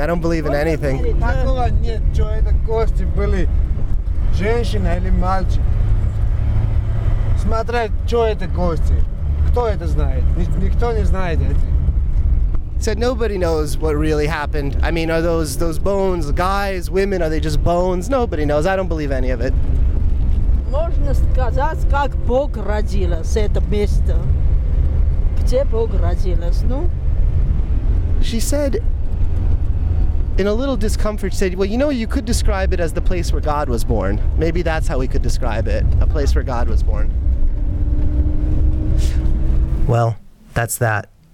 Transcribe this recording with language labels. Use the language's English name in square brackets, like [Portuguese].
[English] I don't believe in anything. He said, nobody knows what really happened. I mean, are those bones, guys, women, are they just bones? Nobody knows. I don't believe any of it. [Russian] Можно сказать, как Бог родилось это место. Где Бог родилось, ну? [English] She said, in a little discomfort, she said, well, you know, you could describe it as the place where God was born. Maybe that's how we could describe it, a place where God was born. Well, that's that.